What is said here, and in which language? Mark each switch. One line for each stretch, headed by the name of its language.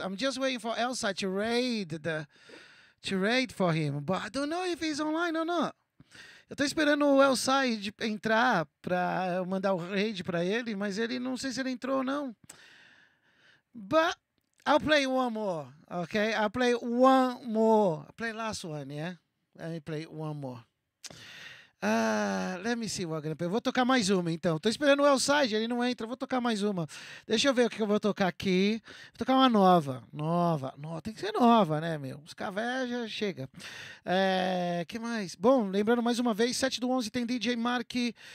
English: I'm just waiting for Elside to raid for him. But I don't know if he's online or not.
Portuguese: Eu tô esperando o Elside entrar para mandar o raid para ele, mas ele não sei se ele entrou ou não.
English: But I'll play one more, okay? I'll play one more. I'll play last one, yeah? Let me play one more. Let me see what I'm going to play.
Portuguese: Vou tocar mais uma, então. Tô esperando o Elside, ele não entra. Vou tocar mais uma. Deixa eu ver o que eu vou tocar aqui. Vou tocar uma nova. Nova. Tem que ser nova, né, meu? Os cavés já chega. Que mais? Bom, lembrando mais uma vez, 7 do 11 tem DJ Marky.